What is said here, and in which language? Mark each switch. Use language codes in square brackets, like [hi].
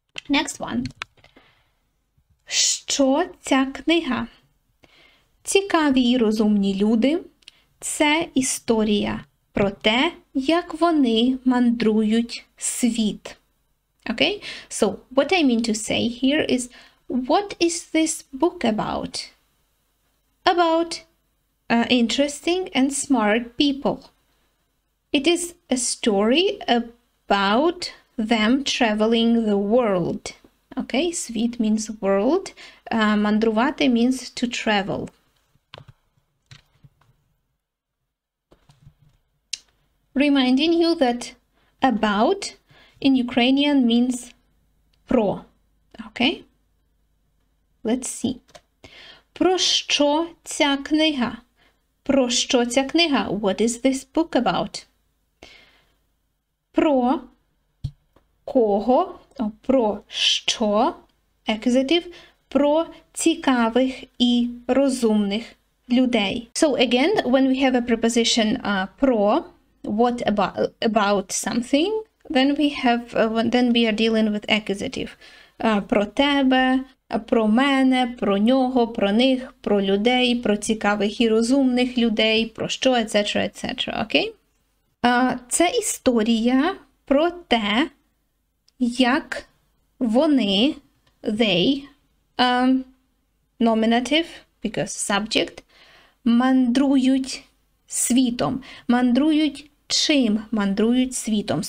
[en] Next one. [uk] Що ця книга? Цікаві й розумні люди – це історія про те, як вони мандрують світ. [en] Okay? So, what I mean to say here is, what is this book about? About interesting and smart people. It is a story about them traveling the world. Okay? Світ means world. Мандрувати means to travel. Reminding you that about in Ukrainian means про. Okay? Let's see. [uk] Про що ця книга? Про що ця книга? [en] What is this book about? [uk] Про кого? Про що? Accusative. Про цікавих і розумних людей. [en] So again, when we have a preposition про, what about something, then we have then we are dealing with accusative. [uk] Про тебе, про мене, про нього, про них, про людей, про цікавих і розумних людей, про що, etc., etc., okay? Це історія про те, як вони, they, [en] nominative, because subject, [uk] мандрують світом, мандрують чим мандрують світом.